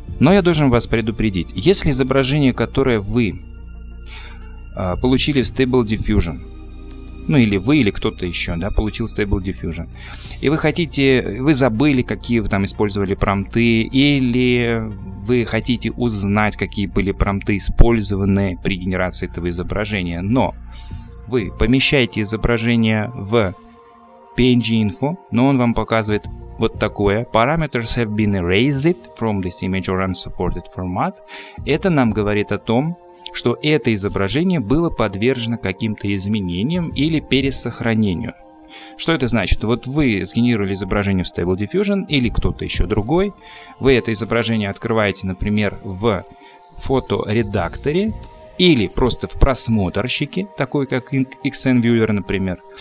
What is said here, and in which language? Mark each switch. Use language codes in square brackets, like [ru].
[ru] Но я должен вас предупредить, если изображение, которое вы получили в Stable Diffusion, ну или вы, или кто-то еще, да, получил Stable Diffusion, и вы хотите, вы забыли, какие вы там использовали промпты, или вы хотите узнать, какие были промпты использованы при генерации этого изображения, но вы помещаете изображение в PNG-info, но он вам показывает вот такое. [en] Parameters have been erased from this image or unsupported format. [ru] Это нам говорит о том, что это изображение было подвержено каким-то изменениям или пересохранению. Что это значит? Вот вы сгенерировали изображение в Stable Diffusion или кто-то еще другой. Вы это изображение открываете, например, в фоторедакторе или просто в просмотрщике, такой как XN Viewer, например.